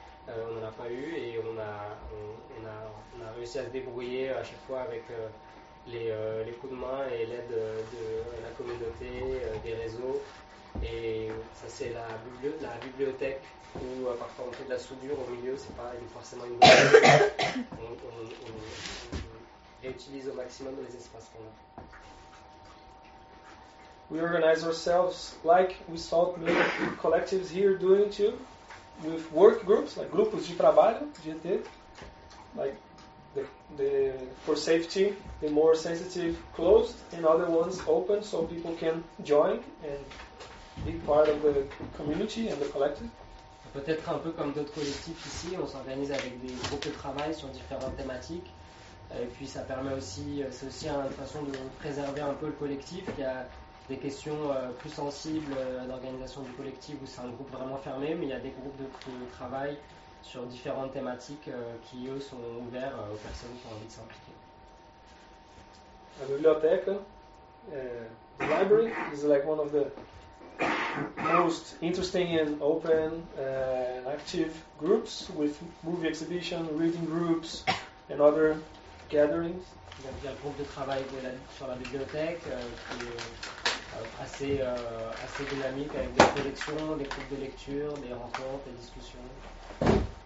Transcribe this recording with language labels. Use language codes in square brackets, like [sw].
[fr] On n'en a pas eu et on a réussi à se débrouiller à chaque fois avec les coups de main et l'aide de la communauté, des réseaux. Et ça, c'est la bibliothèque où parfois on fait de la soudure au milieu, c'est pas forcément une bonne chose. On réutilise au maximum les espaces qu'on a. [en] We organize ourselves like we saw many collectives here doing too, with work groups, like [pt] grupos de trabalho, [en] GT, like the for safety, the more sensitive closed and other ones open so people can join and be part of the community and the collective. [fr] Peut-être un peu comme d'autres collectifs ici, on s'organise avec des groupes de travail sur différentes thématiques et puis ça permet aussi, c'est aussi une façon de préserver un peu le collectif. Il y a des questions plus sensibles d'organisation du collectif où c'est un groupe vraiment fermé, mais il y a des groupes de travail sur différentes thématiques qui eux sont ouverts aux personnes qui ont envie de s'impliquer. La bibliothèque, [en] the library is like one of the most interesting and open and active groups with movie exhibition, reading groups, and other gatherings. [fr] Il y a un groupe de travail de la, sur la bibliothèque qui est assez, assez dynamique avec des collections, des groupes de lecture, des rencontres, des discussions.